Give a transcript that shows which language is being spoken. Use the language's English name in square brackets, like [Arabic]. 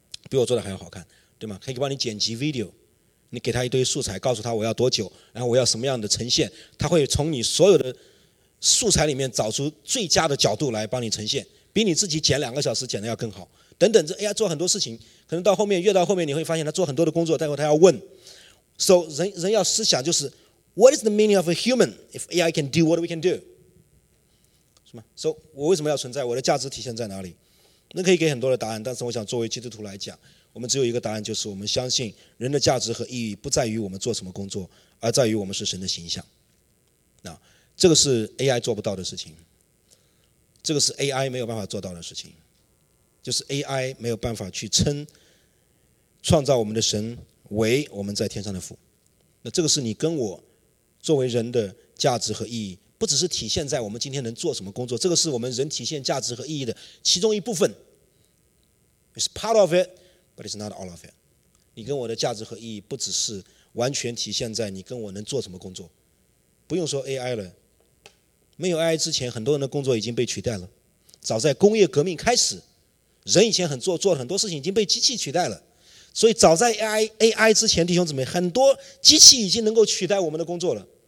[Chinese] 比我做的还要好看，对吗？可以帮你剪辑 video， 你给他一堆素材，告诉他我要多久，然后我要什么样的呈现，他会从你所有的素材里面找出最佳的角度来帮你呈现，比你自己剪两个小时剪的要更好等等。这 AI 做很多事情，可能到后面越到后面你会发现他做很多的工作，待会他要问。 [English] So [Chinese] 人要思想就是 [English] What is the meaning of a human if AI can do what we can do？ [Chinese] 是吗？ So 我为什么要存在，我的价值体现在哪里？那可以给很多的答案，但是我想作为基督徒来讲，我们只有一个答案，就是我们相信人的价值和意义不在于我们做什么工作，而在于我们是神的形象。那这个是 AI 做不到的事情，这个是 AI 没有办法做到的事情，就是 AI 没有办法去称创造我们的神为我们在天上的父。那这个是你跟我作为人的价值和意义，不只是体现在我们今天能做什么工作，这个是我们人体现价值和意义的其中一部分。 [English] It's part of it but it's not all of it。 [Chinese] 你跟我的价值和意义不只是完全体现在你跟我能做什么工作，不用说 AI 了，没有 AI 之前很多人的工作已经被取代了，早在工业革命开始，人以前很做很多事情已经被机器取代了，所以早在 AI 之前，弟兄姊妹，很多机器已经能够取代我们的工作了。